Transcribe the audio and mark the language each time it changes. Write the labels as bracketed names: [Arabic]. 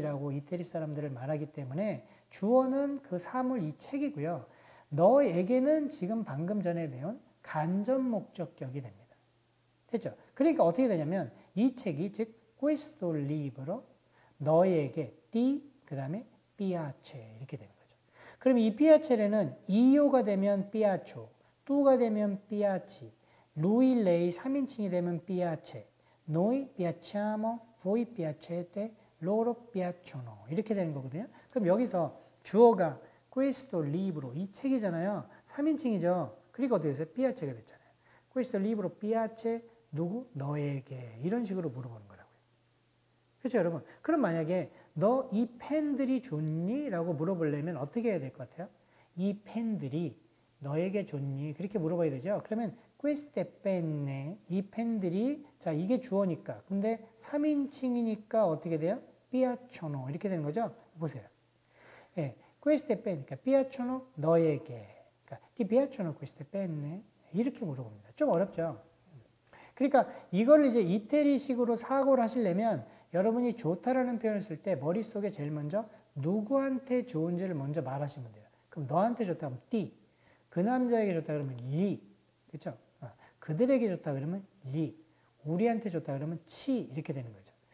[Korean] 라고 이태리 사람들을 말하기 때문에 주어는 그 사물 이 책이고요. 너에게는 지금 방금 전에 배운 간접목적격이 됩니다. 됐죠? 그러니까 어떻게 되냐면 이 책이 즉 [Italian] questo libro [Korean] 너에게 ti 그 다음에 piace 이렇게 되는 거죠. 그럼 이 piace는 io가 되면 piaccio, tu가 되면 piaci, lui, lei 3인칭이 되면 piace, [Italian] noi piacciamo, voi piacete, loro piacciono [Korean] 이렇게 되는 거거든요. 그럼 여기서 주어가 questo libro 이 책이잖아요. 3인칭이죠. 그러니까 어떻게 되세요? piace가 됐잖아요. [Italian] questo libro piace 누구? [Korean] 너에게. 이런 식으로 물어보는 거라고요. 그렇죠, 여러분? 그럼 만약에 너 이 펜들이 좋니? 라고 물어보려면 어떻게 해야 될 것 같아요? 이 펜들이 너에게 좋니? 그렇게 물어봐야 되죠. 그러면 [Italian] queste penne [Korean] 이 펜들이 자 이게 주어니까 근데 3인칭이니까 어떻게 돼요? piacciono 이렇게 되는 거죠. 보세요. [Italian] 예, queste penne 그러니까 piacciono 너에게 그러니까 ti piacciono queste penne [Korean] 이렇게 물어봅니다. 좀 어렵죠. 그러니까 이걸 이제 이태리식으로 사고를 하시려면 여러분이 좋다라는 표현을 쓸 때 머릿속에 제일 먼저 누구한테 좋은지를 먼저 말하시면 돼요. 그럼 너한테 좋다 하면 ti 그 남자에게 좋다 그러면 li 그렇죠? 그들에게 줬다 그러면 리, 우리한테 줬다 그러면 치 이렇게 되는 거죠.